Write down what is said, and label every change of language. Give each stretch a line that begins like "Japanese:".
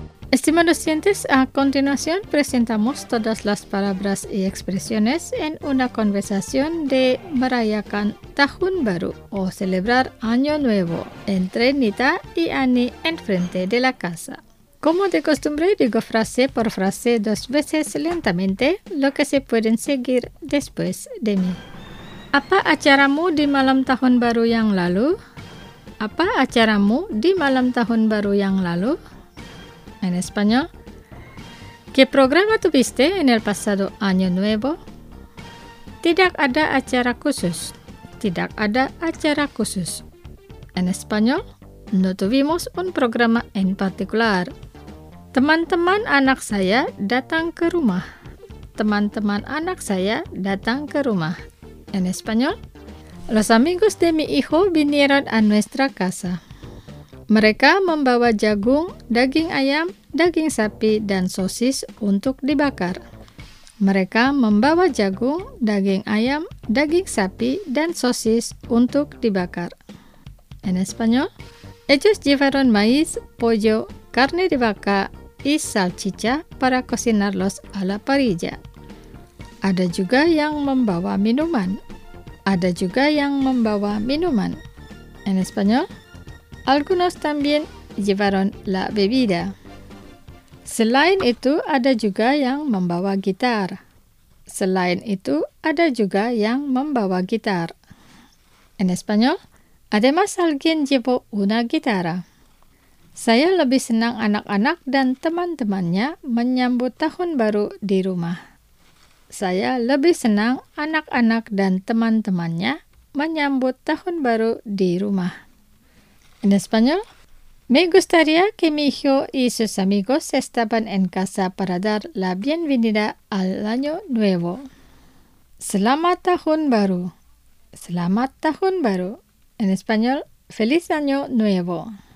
Spanish: Estimados oyentes, a continuación presentamos todas las palabras y expresiones en una conversación de
Indonesian: merayakan Tahun Baru
Spanish: o celebrar Año Nuevo entre Nita y Ani enfrente de la casa. Como de costumbre, digo frase por frase dos veces lentamente lo que se pueden seguir después de mí.
Indonesian: Apa acaramu di malam tahun baru yang lalu? Apa acaramu di malam tahun baru yang lalu?
Spanish: En español. ¿Qué programa tuviste en el pasado año nuevo?
Indonesian: Tidak ada acara khusus. Tidak ada acara khusus.
Spanish: En español. No tuvimos un programa en particular.
Indonesian: Teman-teman anak saya datang ke rumah. Teman-teman anak saya datang ke rumah.
Spanish: En español. Los amigos de mi hijo vinieron a nuestra casa.
Indonesian: Mereka membawa jagung, daging ayam, daging sapi, dan sosis untuk dibakar. Mereka membawa jagung, daging ayam, daging sapi, dan sosis untuk dibakar.
Spanish: En español. Ellos llevaron maíz, pollo, carne de vaca y salchicha para cocinarlos a la parrilla.
Indonesian: Ada juga yang membawa minuman. Ada juga yang membawa minuman.
Spanish: En español. Algunos también llevaron la bebida.
Indonesian: Selain itu, ada juga yang membawa gitar. Selain itu, ada juga yang membawa gitar.
Spanish: En español. Además, alguien llevó una guitarra.
Indonesian: Saya lebih senang anak-anak dan teman-temannya menyambut tahun baru di rumah. Saya lebih senang anak-anak dan teman-temannya menyambut tahun baru di rumah.
Spanish: En español. Me gustaría que mi hijo y sus amigos estaban en casa para dar la bienvenida al año nuevo.
Indonesian: Selamat tahun baru. Selamat tahun baru.
Spanish: En español, feliz año nuevo.